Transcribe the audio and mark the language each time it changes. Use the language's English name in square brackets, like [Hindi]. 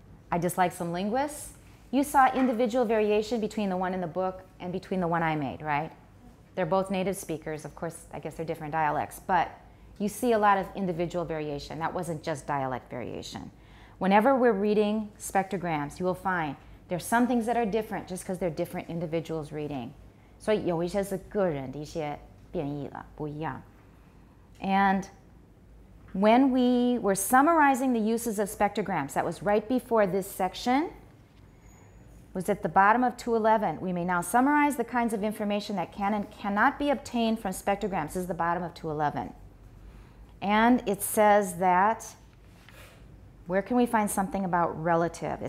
[English] I dislike some linguists. You saw individual variation between the one in the book and between the one I made, right? They're both native speakers. Of course, I guess they're different dialects, but you see a lot of individual variation. That wasn't just dialect variation. Whenever we're reading spectrograms, you will find there's some things that are different just because they're different individuals reading. So [Chinese] 有一些是个人的一些变异了，不一样。 [English] And,When we were summarizing the uses of spectrograms, that was right before this section, was at the bottom of 211. We may now summarize the kinds of information that can and cannot be obtained from spectrograms. This is the bottom of 211. And it says that, where can we find something about relative?